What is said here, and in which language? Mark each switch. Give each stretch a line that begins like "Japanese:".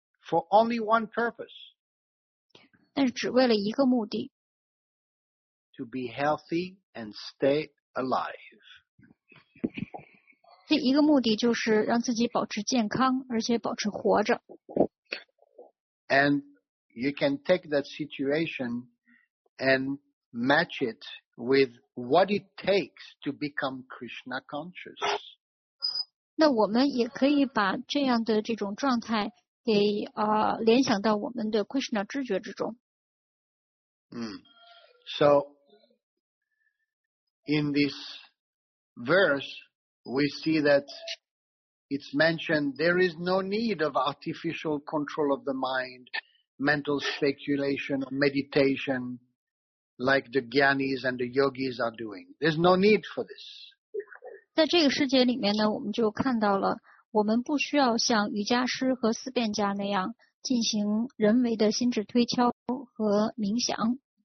English: For only one purpose.
Chinese: 但是只为了一个目的。
English: To be healthy and stay alive.
Chinese: 这一个目的就是让自己保持健康，而且保持活着。
English: And you can take that situation and match it with what it takes to become Krishna conscious.
Chinese: 那我们也可以把这样的这种状态给联想到我们的 Krishna 知觉之中。
English: So, in this verse, we see that it's mentioned there is no need of artificial control of the mind, mental speculation, or meditation like the jnanis and the yogis are doing. There's no need for this.
Chinese: 在这个世界里面呢，我们就看到了，我们不需要像瑜伽师和思辨家那样进行人为的心智推敲和冥想。